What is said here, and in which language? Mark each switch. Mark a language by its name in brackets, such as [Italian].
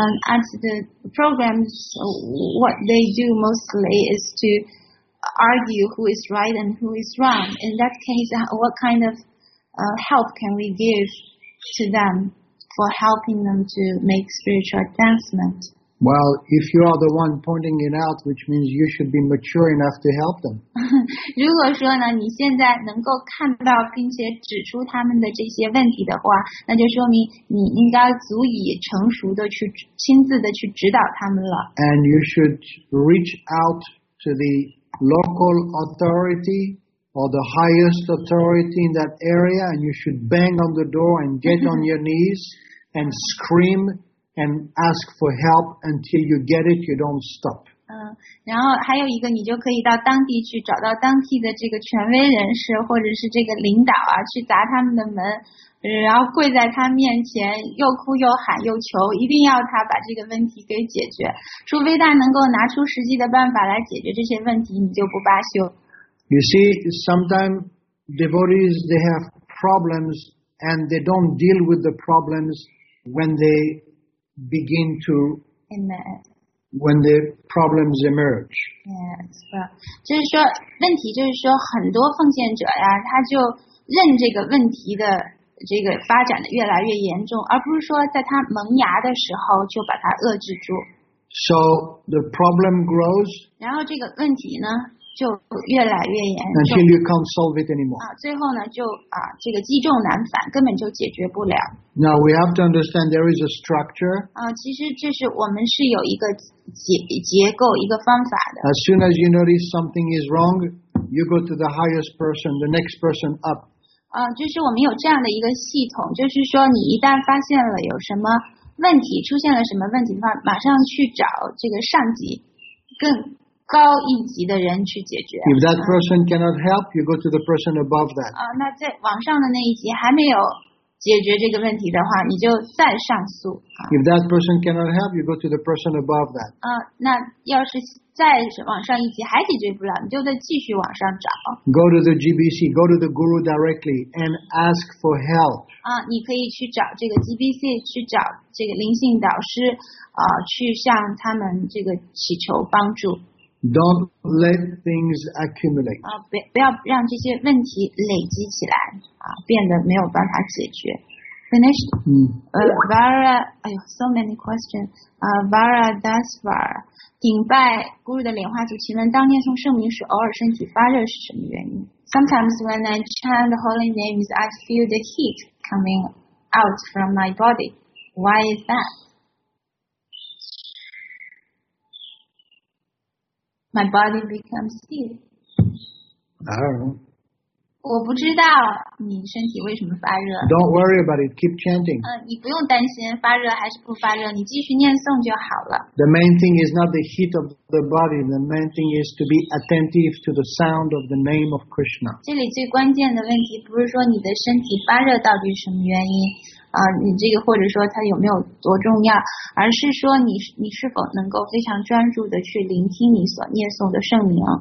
[English] At the programs, what they do mostly is to argue who is right and who is wrong. In that case, what kind of help can we give to them for helping them to make spiritual advancement? Well, if you are the one pointing it out, which means you should be mature enough to help them. [Chinese] 如果说呢，你现在能够看到并且指出他们的这些问题的话，那就说明你应该足以成熟的去亲自的去指导他们了。 [English] And you should reach out to the local authority or the highest authority in that area, and you should bang on the door and get on your knees and scream and ask for help until you get it, you don't stop. [Chinese] 然后还有一个，你就可以到当地去找到当地的这个权威人士或者是这个领导啊，去砸他们的门，然后跪在他面前又哭又喊又求，一定要他把这个问题给解决。除非他能够拿出实际的办法来解决这些问题，你就不罢休。 [English] You see, sometimes devotees, they have problems and they don't deal with the problems when they begin to, when the problems emerge. Yes, right. [Chinese] 就是说问题就是说很多奉献者呀，他就认这个问题的这个发展的越来越严重，而不是说在他萌芽的时候就把它遏制住。 [English] So the problem grows. [Chinese] 然后这个问题呢就越来越严重。 [English] Until you can't solve it anymore. [Chinese] 最后呢就这个积重难返，根本就解决不了。 [English] Now we have to understand there is a structure. [Chinese] 其实这是我们是有一个结构一个方法的。 [English] As soon as you notice something is wrong, you go to the highest person, the next person up. [Chinese] 就是我们有这样的一个系统，就是说你一旦发现了有什么问题，出现了什么问题的话，马上去找这个上级更高一级的人去解决。 [English] If that person cannot help, you go to the person above that. [Chinese] 那在网上的那一级还没有解决这个问题的话，你就再上诉。 [English] If that person cannot help, you go to the person above that. [Chinese] 那要是再往上一级还解决不了，你就再继续往上找。 [English] Go to the GBC, go to the guru directly and ask for help. [Chinese] 你可以去找这个 GBC, 去找这个灵性导师，去向他们这个祈求帮助。 [English] Don't let things accumulate. [Chinese] 不要让这些问题累积起来，变得没有办法解决。 [English] finished. Vara, so many questions. [Chinese] Vara Dasvar, 顶拜 Guru 的莲花主题问，当念诵圣名时偶尔身体发热是什么原因？ [English] Sometimes when I chant the holy names, I feel the heat coming out from my body. Why is that? My body becomes heat. I don't know. [Chinese] 我不知道你身体为什么发热。 [English] Don't worry about it. Keep chanting. [Chinese] 你不用担心发热还是不发热，你继续念诵就好了。 [English] The main thing is not the heat of the body. The main thing is to be attentive to the sound of the name of Krishna. [Chinese] 这里最关键的问题不是说你的身体发热到底是什么原因，你这个或者说它有没有多重要，而是说你是否能够非常专注的去聆听你所念诵的圣名。